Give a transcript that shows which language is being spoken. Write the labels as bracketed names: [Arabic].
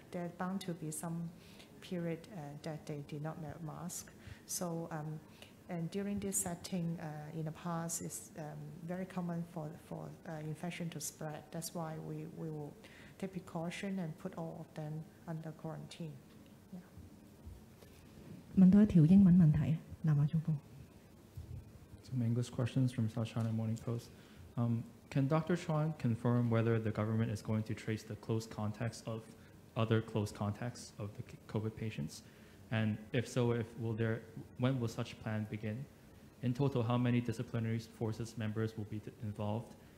[English] There's bound to be some period that they did not wear mask. So, and during this setting in the past, it's very common for infection to spread. That's why we will take precaution and put all of them under quarantine. Yeah. [Cantonese] 問多一條英文問題，南華中鋒。 [English] Some English questions from South China Morning Post. Can Dr. Chuan confirm whether the government is going to trace the close contacts of other close contacts of the COVID patients? And if so, when will such plan begin? In total, how many disciplinary forces members will be involved?